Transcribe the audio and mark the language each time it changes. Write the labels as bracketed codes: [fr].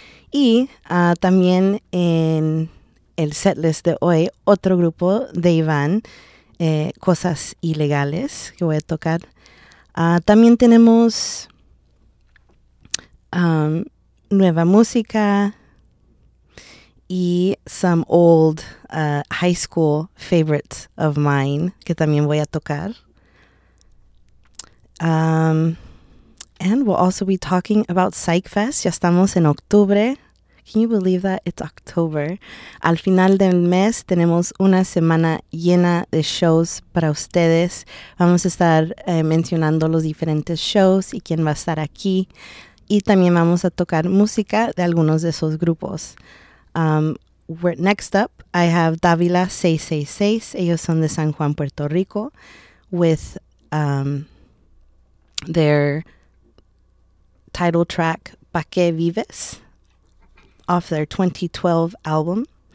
[es] Y también en el setlist de hoy, otro grupo de Iván, Cosas Ilegales, que voy a tocar. También tenemos nueva música y [en] some old high school favorites of mine, [es] que también voy a tocar. [en] And we'll also be talking about Psych Fest. [es] Ya estamos en octubre. [en] Can you believe that? It's October. [es] Al final del mes tenemos una semana llena de shows para ustedes. Vamos a estar mencionando los diferentes shows y quién va a estar aquí. Y también vamos a tocar música de algunos de esos grupos. [en] Next up, I have Davila 666. [es] Ellos son de San Juan, Puerto Rico, [en] with their title track, Pa' Que Vives, off their 2012 album.